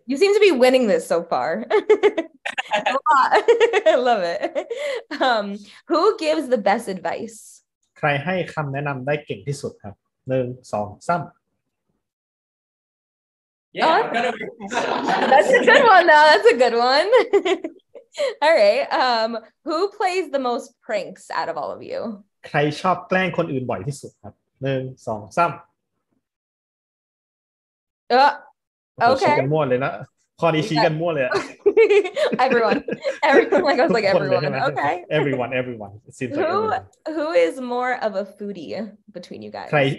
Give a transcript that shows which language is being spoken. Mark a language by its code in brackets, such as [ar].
[en] You seem to be winning this so far. I love it. Who gives the best advice? [th] ใครให้คำแนะนำได้เก่งที่สุดครับ1 2 3 [en] Yeah. That's a good one though. That's a good one. All right. Who plays the most pranks out of all of you? [th] ใครชอบแกล้งคนอื่นบ่อยที่สุดครับ1 2 3 [en] Okay. [th] ชี้กันมั่วเลยนะพอดีชี้กันมั่วเลยอ่ะ [en] Everyone. Everyone like I was like everyone. Okay. Everyone. It seems who, like everyone. Who is more of a foodie between you guys?